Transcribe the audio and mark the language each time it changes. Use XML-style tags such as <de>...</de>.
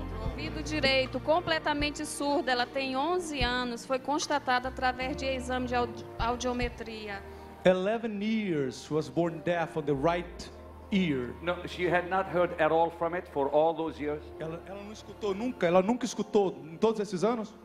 <pt>Ouvido direito, completamente surda, ela tem 11 anos, foi constatada através de exame de audiometria.</pt> <en>11 years was born deaf on the right ear. No, she had not heard at all from it for all those years.</en> <pt>Ela não escutou nunca, ela nunca escutou em todos esses anos?</pt>